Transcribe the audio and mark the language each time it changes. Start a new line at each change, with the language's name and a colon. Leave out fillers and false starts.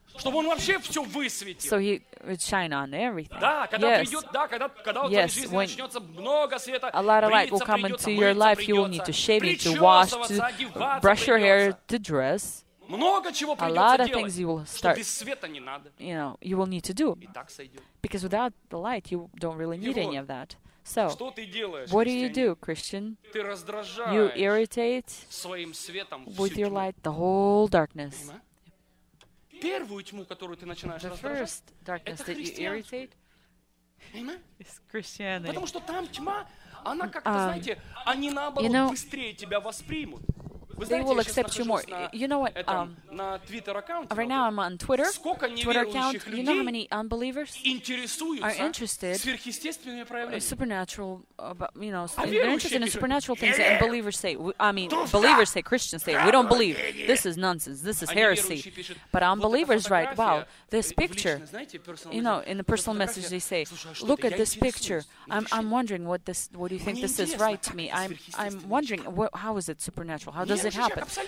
Russian: Чтобы он вообще все высветил.
English: So he would shine on everything.
Russian: Да, когда
English: yes.
Russian: придет, да, когда у yes. твоей жизни начнется много света,
English: a lot of light will come
Russian: придется,
English: into your life. You will need to shave, to wash, to brush your hair, to dress.
Russian: Много чего придется
English: a lot of
Russian: делать,
English: things you will start,
Russian: что без света не надо.
English: You know, you will need to do.
Russian: И так сойдет.
English: Because without the light, you don't really need
Russian: вот,
English: any of that. So,
Russian: что ты делаешь,
English: what do you do, Christian?
Russian: Ты раздражаешь
English: you irritate
Russian: своим светом
English: with your light the whole darkness.
Russian: Понимаешь? Первую тьму, которую ты начинаешь раздражать, это христианство. Потому что там тьма, она как-то, знаете, они наоборот
English: you know,
Russian: быстрее тебя воспримут. Вы знаете,
English: will accept you more. You know what?
Russian: На Twitter аккаунте.
English: Right now I'm on Twitter.
Russian: Сколько неверующих людей?
English: You know how many unbelievers are interested?
Russian: Сверхъестественными проявлениями.
English: Supernatural, you know, they're interested in supernatural things. That unbelievers say, I mean, believers say, Christians say, we don't believe. This is nonsense. This is heresy. But unbelievers write, wow, this picture. You know, in the personal message they say, look at this picture. I'm wondering what this. What do you think this is? Write to me. I'm wondering how is it supernatural? How does it happen?